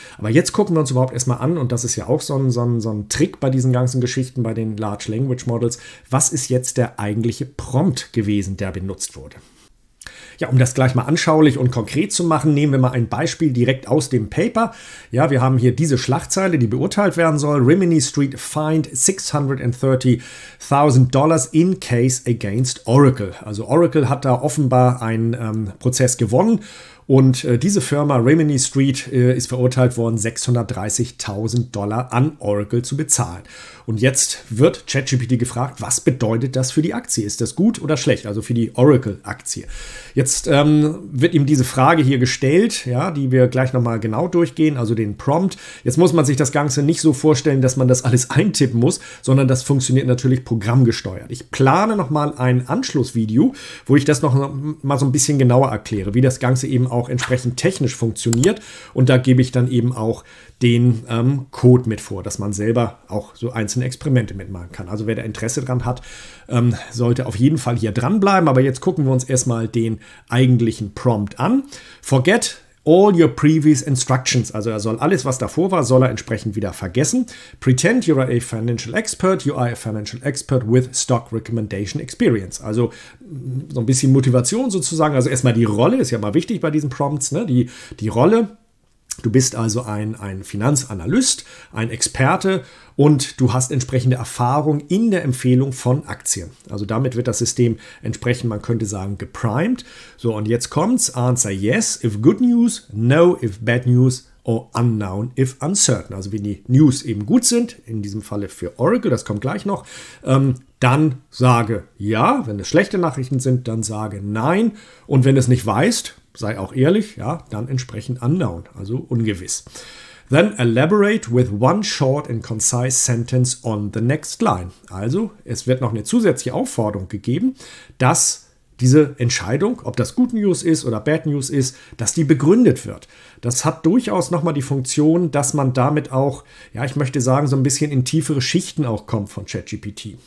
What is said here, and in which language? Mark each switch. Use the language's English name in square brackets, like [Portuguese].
[German] Aber jetzt gucken wir uns überhaupt erstmal an, und das ist ja auch so ein Trick bei diesen ganzen Geschichten, bei den Large Language Models, was ist jetzt der eigentliche Prompt gewesen, der benutzt wurde? Ja, um das gleich mal anschaulich und konkret zu machen, nehmen wir mal ein Beispiel direkt aus dem Paper. Ja, wir haben hier diese Schlagzeile, die beurteilt werden soll. [English] Rimini Street fined $630,000 in case against Oracle. [German] Also Oracle hat da offenbar einen Prozess gewonnen. Und diese Firma Rimini Street ist verurteilt worden, $630,000 an Oracle zu bezahlen. Und jetzt wird ChatGPT gefragt, was bedeutet das für die Aktie? Ist das gut oder schlecht? Also für die Oracle-Aktie. Jetzt wird ihm diese Frage hier gestellt, ja, die wir gleich nochmal genau durchgehen, also den Prompt. Jetzt muss man sich das Ganze nicht so vorstellen, dass man das alles eintippen muss, sondern das funktioniert natürlich programmgesteuert. Ich plane nochmal ein Anschlussvideo, wo ich das nochmal so ein bisschen genauer erkläre, wie das Ganze eben auch entsprechend technisch funktioniert. Und da gebe ich dann eben auch den Code mit vor, dass man selber auch so einzelne Experimente mitmachen kann. Also wer da Interesse dran hat, sollte auf jeden Fall hier dranbleiben. Aber jetzt gucken wir uns erstmal den eigentlichen Prompt an. [English] Forget all your previous instructions. [German] Also er soll alles, was davor war, soll er entsprechend wieder vergessen. [English] Pretend you are a financial expert. You are a financial expert with stock recommendation experience. [German] Also so ein bisschen Motivation sozusagen. Also erstmal die Rolle ist ja mal wichtig bei diesen Prompts, ne? Die Rolle. Du bist also ein Finanzanalyst, ein Experte und du hast entsprechende Erfahrung in der Empfehlung von Aktien. Also damit wird das System entsprechend, man könnte sagen, geprimed. So, und jetzt kommt's. [English] Answer yes if good news, no if bad news. Or unknown if uncertain. [German] Also wenn die News eben gut sind, in diesem Falle für Oracle, das kommt gleich noch, dann sage ja. Wenn es schlechte Nachrichten sind, dann sage nein. Und wenn es nicht weißt, sei auch ehrlich, ja, dann entsprechend unknown, also ungewiss. [English] Then elaborate with one short and concise sentence on the next line. [German] Also es wird noch eine zusätzliche Aufforderung gegeben, dass diese Entscheidung, ob das gute News ist oder Bad News ist, dass die begründet wird. Das hat durchaus nochmal die Funktion, dass man damit auch, ja, ich möchte sagen, so ein bisschen in tiefere Schichten auch kommt von ChatGPT.